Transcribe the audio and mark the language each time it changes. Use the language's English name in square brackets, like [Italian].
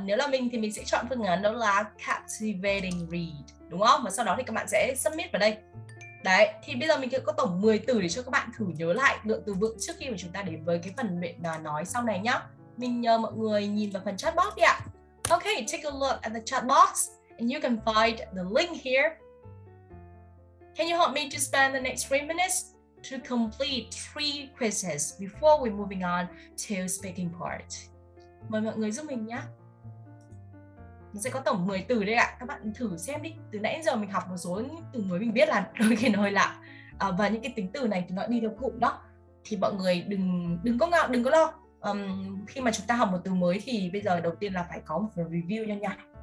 [Vietnamese] Nếu là mình thì mình sẽ chọn phương án đó là [English] captivating read, [Vietnamese] đúng không? Và sau đó thì các bạn sẽ submit vào đây. Đấy, thì bây giờ mình sẽ có tổng 10 từ để cho các bạn thử nhớ lại lượng từ vựng trước khi mà chúng ta đến với cái phần luyện nói sau này nhá. Mình nhờ mọi người nhìn vào phần chat box đi ạ. [English] Okay, take a look at the chat box and you can find the link here. Can you help me to spend the next 3 minutes to complete 3 quizzes before we're moving on to speaking part? [Vietnamese] Mời mọi người giúp mình nhá. Mình sẽ có tổng 10 từ đây ạ. Các bạn thử xem đi. Từ nãy giờ mình học một số từ mới mình biết là đôi khi nó hơi lạ. Và những cái tính từ này thì nó đi theo cụm đó. Thì mọi người đừng có ngạo, đừng có lo. Khi mà chúng ta học một từ mới thì bây giờ đầu tiên là phải có một review nhanh nhanh.